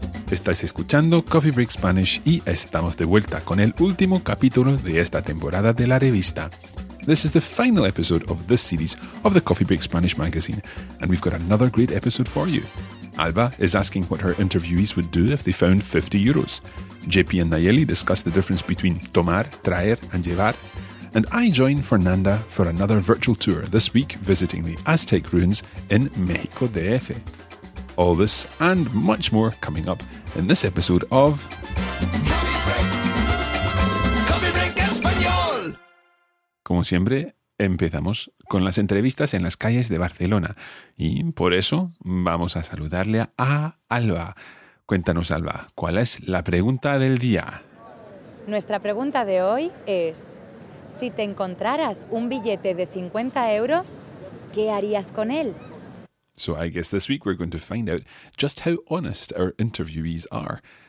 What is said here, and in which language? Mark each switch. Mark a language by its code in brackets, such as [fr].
[es] Estás escuchando Coffee Break Spanish y estamos de vuelta con el último capítulo de esta temporada de la revista. [en] This is the final episode of this series of the Coffee Break Spanish magazine, and we've got another great episode for you. Alba is asking what her interviewees would do if they found 50 euros. JP and Nayeli discuss the difference between tomar, traer, and llevar. And I join Fernanda for another virtual tour, this week visiting the Aztec ruins in Mexico DF. All this and much more coming up in this episode of Coffee Break Español. [es] Como siempre, empezamos con las entrevistas en las calles de Barcelona. Y por eso vamos a saludarle a Alba. Cuéntanos, Alba, ¿cuál es la pregunta del día? Nuestra pregunta de hoy es, si te encontraras un billete de 50 euros, ¿qué harías con él? [en] So I guess this week we're going to find out just how honest our interviewees are.